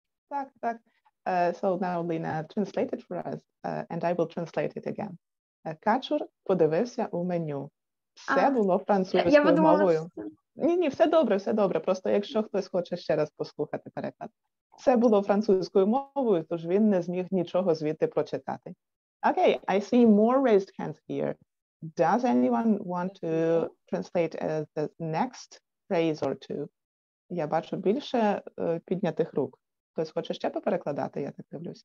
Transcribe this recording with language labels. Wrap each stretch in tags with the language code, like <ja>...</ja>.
<uk>Так, так.</uk> <en>So now Lina translated for us, and I will translate it again.</en> <uk>Качур подивився у меню. Все було французькою мовою. Ні, все добре. Просто якщо хтось хоче ще раз послухати переклад. Все було французькою мовою, тож він не зміг нічого звідти прочитати.</uk> <en>Okay, I see more raised hands here. Does anyone want to translate the next phrase or two?</en> <uk>Я бачу більше піднятих рук. Хтось хоче ще поперекладати, я так дивлюсь.</uk>